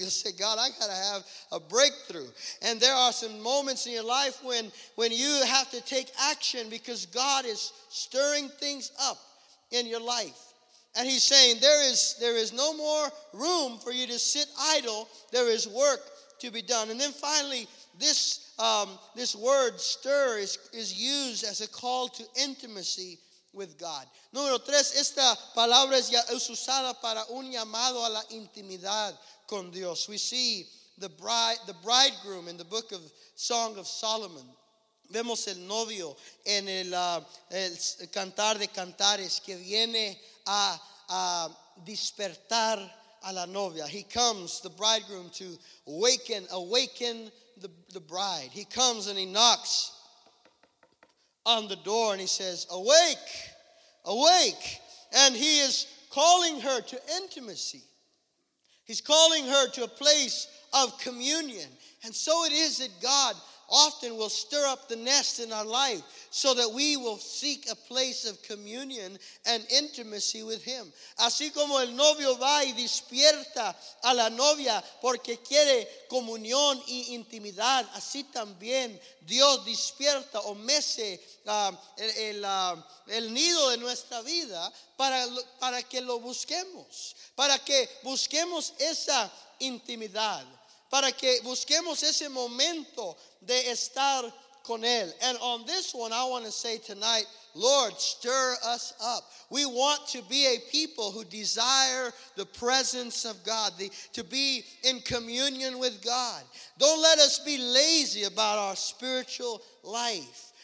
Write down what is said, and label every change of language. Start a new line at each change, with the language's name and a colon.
English: You'll say, God, I got to have a breakthrough. And there are some moments in your life when you have to take action because God is stirring things up in your life. And he's saying, there is no more room for you to sit idle. There is work to be done. And then finally, this word stir is used as a call to intimacy with God.
Spanish: Número tres, esta palabra es usada para un llamado a la intimidad con Dios.
English: We see the bridegroom in the book of Song of Solomon.
Spanish: Vemos el novio en el cantar de cantares que viene a despertar a la novia.
English: He comes, the bridegroom, to awaken the bride. He comes and he knocks on the door and he says, awake, awake. And he is calling her to intimacy. He's calling her to a place of communion. And so it is that God often will stir up the nest in our life so that we will seek a place of communion and intimacy with him.
Spanish: Así como el novio va y despierta a la novia porque quiere comunión y intimidad, así también Dios despierta o mece el nido de nuestra vida para que lo busquemos, para que busquemos esa intimidad, para que busquemos ese momento de estar con él.
English: And on this one, I want to say tonight, Lord, stir us up. We want to be a people who desire the presence of God, to be in communion with God. Don't let us be lazy about our spiritual life.